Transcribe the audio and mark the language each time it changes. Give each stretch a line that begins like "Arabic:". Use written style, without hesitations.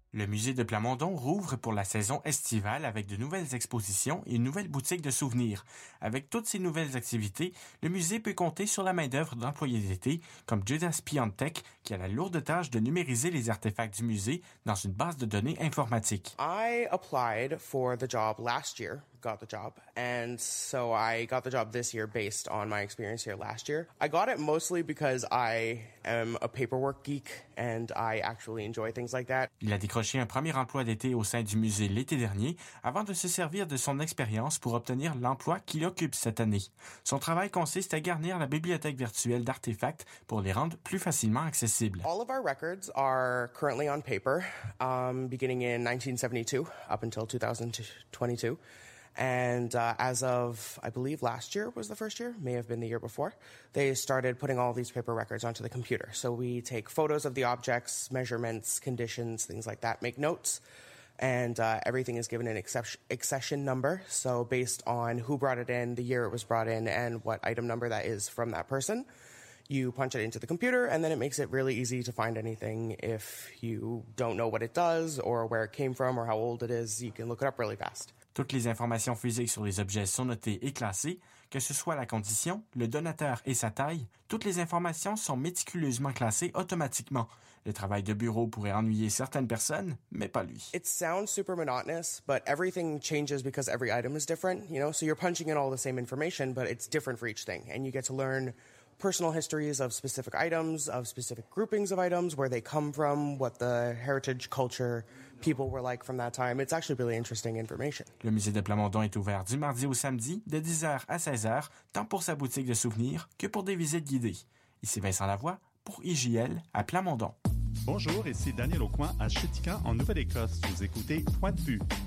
French: Le musée de Plamondon rouvre pour la saison estivale avec de nouvelles expositions et une nouvelle boutique de souvenirs. Avec toutes ces nouvelles activités, le musée peut compter sur la main-d'œuvre d'employés d'été comme Judas Piontek, qui a la lourde tâche de numériser les artefacts du musée dans une base de données informatique.
English: I applied for the job last year. Got the job. And so I got the job this year based on my experience here last year. I got it mostly because I am a paperwork geek and I actually enjoy things like that.
French: Il a décroché un premier emploi d'été au sein du musée l'été dernier avant de se servir de son expérience pour obtenir l'emploi qu'il occupe cette année. Son travail consiste à garnir la bibliothèque virtuelle d'artefacts pour les rendre plus facilement accessibles.
English: All of our records are currently on paper, beginning in 1972 up until 2022. And as of, I believe, last year was the first year, may have been the year before, they started putting all these paper records onto the computer. So we take photos of the objects, measurements, conditions, things like that, make notes, and everything is given an accession number. So based on who brought it in, the year it was brought in, and what item number that is from that person, you punch it into the computer, and then it makes it really easy to find anything. If you don't know what it does or where it came from or how old it is, you can look it up really fast.
French: Toutes les informations physiques sur les objets sont notées et classées, que ce soit la condition, le donateur et sa taille. Toutes les informations sont méticuleusement classées automatiquement. Le travail de bureau pourrait ennuyer certaines personnes, mais pas lui.
English: It sounds super monotonous, but everything changes because every item is different, you know? So you're punching in all the same information, but it's different for each thing. And you get to learn personal histories of specific items, of specific groupings of items, where they come from, what the heritage culture people were like from that time. It's actually really interesting information.
French: Le musée de Plamondon est ouvert du mardi au samedi, de 10h à 16h, tant pour sa boutique de souvenirs que pour des visites guidées. Ici Vincent Lavoie pour IJL à Plamondon. Bonjour, ici Daniel Aucoin à Chitika en Nouvelle-Écosse. Vous écoutez Point de vue.